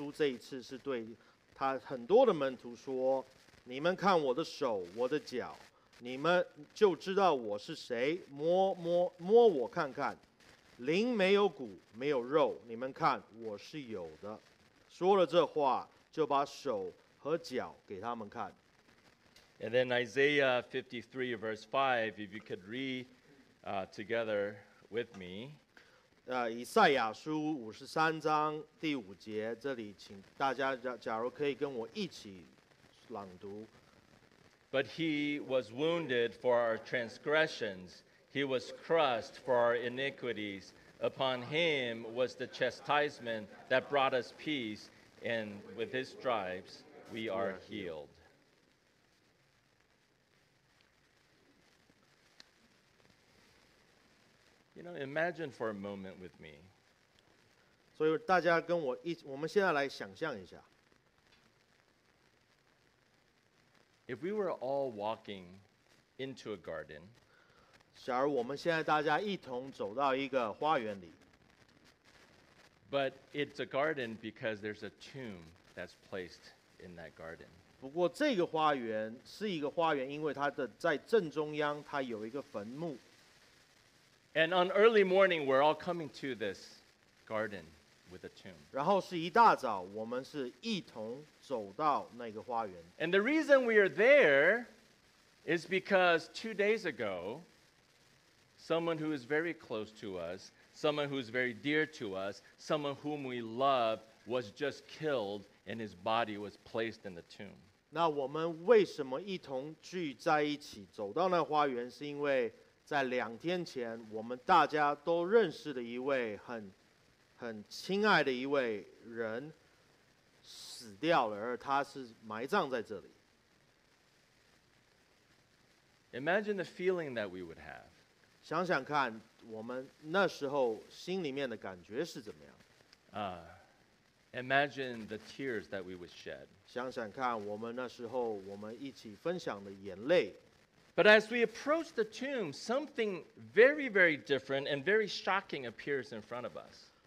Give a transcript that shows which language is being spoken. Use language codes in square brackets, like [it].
[zh] 在路加福音这里是在另外一个时段，耶稣这一次是对他很多的门徒说， 你们看我的手，我的脚，你们就知道我是谁。摸摸摸我看看，灵没有骨，没有肉。你们看，我是有的。说了这话，就把手和脚给他们看。 [en] And then Isaiah 53 verse 5, if you could read together with me. [zh] 以赛亚书53章第5节，这里请大家假如可以跟我一起朗读。 [en] But he was wounded for our transgressions. He was crushed for our iniquities. Upon him was the chastisement that brought us peace. And with his stripes, we are healed. You know, imagine for a moment with me. [zh] 所以大家跟我一，我们现在来想象一下。 [en] If we were all walking into a garden, [zh] 假如我们现在大家一同走到一个花园里。 [en] But it's a garden because there's a tomb that's placed in that garden. [zh] 不过这个花园是一个花园，因为它的在正中央，它有一个坟墓。 [en] And on early morning, we're all coming to this garden with a tomb. [zh] 然后是一大早，我们是一同走到那个花园。 [en] And the reason we are there is because 2 days ago, someone who is very close to us, someone who is very dear to us, someone whom we love, was just killed, and his body was placed in the tomb. [zh] 那我们为什么一同聚在一起走到那花园，是因为在两天前，我们大家都认识的一位很亲爱的一位人死掉了，而他是埋葬在这里。 [en] Imagine the feeling that we would have. [zh] 想想看，我们那时候心里面的感觉是怎么样？ [en] Imagine the tears that we would shed. [zh] 想想看，我们那时候我们一起分享的眼泪。 [en] But as we approach the tomb, something very, very different and very shocking appears in front of us.